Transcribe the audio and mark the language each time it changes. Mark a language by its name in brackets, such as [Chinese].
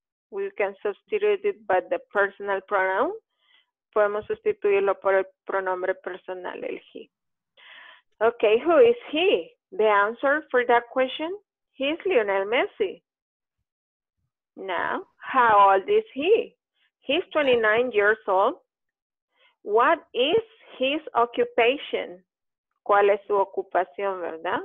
[English] We can substitute it by the personal pronoun. [Spanish] Podemos sustituirlo por el pronombre personal, el he. [English] Okay, who is he? The answer for that question, he's Lionel Messi. Now, how old is he? He's 29 years old. What is his occupation? [Spanish] ¿Cuál es su ocupación, verdad?